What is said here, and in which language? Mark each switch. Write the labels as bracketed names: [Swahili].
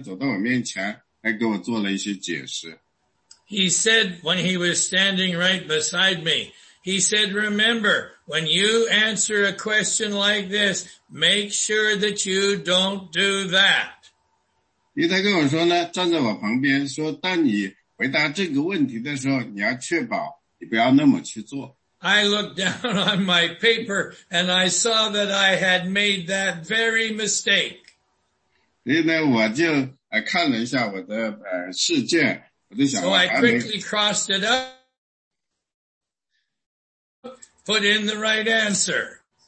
[Chinese] 一旦有一次我在考试的时候呢，那个老师呢走到我面前，还给我做了一些解释。 [English] He said, when he was standing right beside me, he said, remember, when you answer a question like this, make sure that you don't do that. [Chinese] 因为他跟我说呢，站在我旁边说，当你回答这个问题的时候，你要确保你不要那么去做。 [English] I looked down on my paper and I saw that I had made that very mistake. [Chinese] 所以呢，我就看了一下我的试卷，我就想。 [English] So I quickly crossed it up, put in the right answer.